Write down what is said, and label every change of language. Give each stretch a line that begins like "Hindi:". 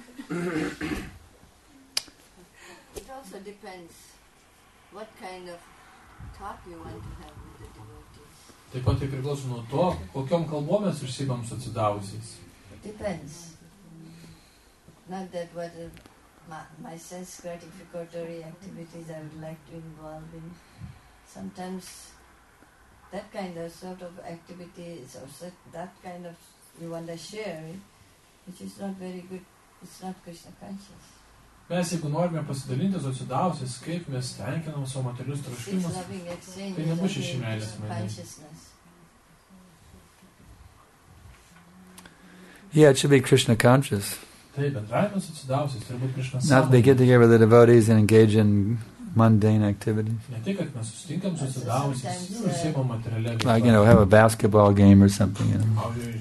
English: It also depends what kind of talk you want to have with the devotees.
Lithuanian: Taip pat tai priklauso nuo to, kokiom kalbom mes užsiimam su atsidavusiais.
English: Depends. Not that what my sense gratificatory activities I would like to involve in. Sometimes that kind of sort of activities or that kind of you want to share, which is not very good, it's not Krishna conscious.
Lithuanian: Mes, jeigu norime pasidalinti su atsidavusiais, kaip mes tenkinam savo materialius troškimus, tai nebus šeši meilės mainai.
English: Yeah, it should be Krishna conscious.
Lithuanian: Taip, bendravimas atsidavusiais, turi būti Krishna sąmonė.
English: Not they get together with the devotees and engage in mundane activity. Like, you know, have a basketball game or something, you know.